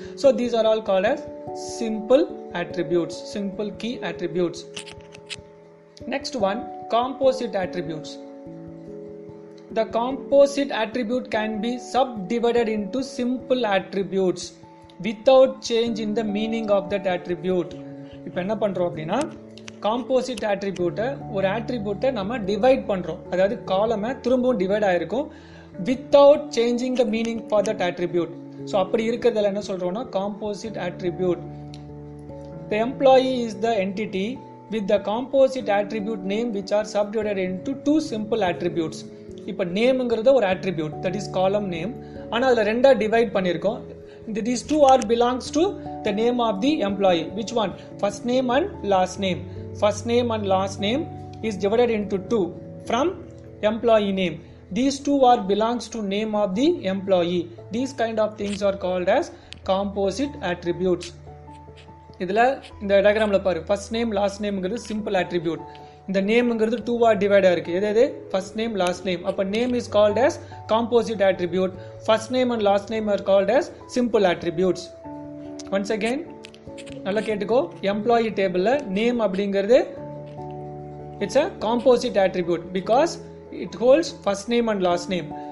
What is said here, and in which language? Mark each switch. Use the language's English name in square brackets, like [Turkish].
[English] So these are all called as simple attributes, simple key attributes. Next one, composite attributes. The composite attribute can be subdivided into simple attributes without change in the meaning of that attribute. [Tamil] இப்ப என்ன பண்றோம் அப்படின்னா, composite ஆட்ரிபியூட்டை, ஒரு ஆட்ரிபியூட்டை நம்ம divide பண்றோம், அதாவது காலமே திரும்பவும் டிவைட் ஆயிருக்கும், [English] Without changing the meaning for that attribute. [Tamil] So அப்படி இருக்கிறதுல என்ன சொல்றோம்னா, composite attribute. [English] The employee is the entity with the composite attribute name which are subdivided into two simple attributes. [Tamil] இப்ப நேம்ங்கிறது ஒரு ஆட்ரிபியூட், [English] that is column name, [Tamil] ஆனால் அதில் ரெண்டா டிவைட் பண்ணியிருக்கோம். [English] These two are belongs to the name of the employee. Which one? First name and last name. First name and last name is divided into two from employee name. These two are belongs to name of the employee. These kind of things are called as composite attributes. [Tamil] இதில் இந்த டயக்ராமில் பாரு, first name last நேம்ங்கிறது simple attribute, இந்த நேம்ங்கிறது டூவாக டிவைடாக இருக்குது. எது எது? First name, last name. [English] அப்போ name is called as composite attribute, first name and last name are called as simple attributes. Once again [Tamil] நல்லா கேட்டுக்கோ, [English] employee [Tamil] டேபிளில் [English] name [Tamil] அப்படிங்கிறது [English] It's a composite attribute because it holds first name and last name.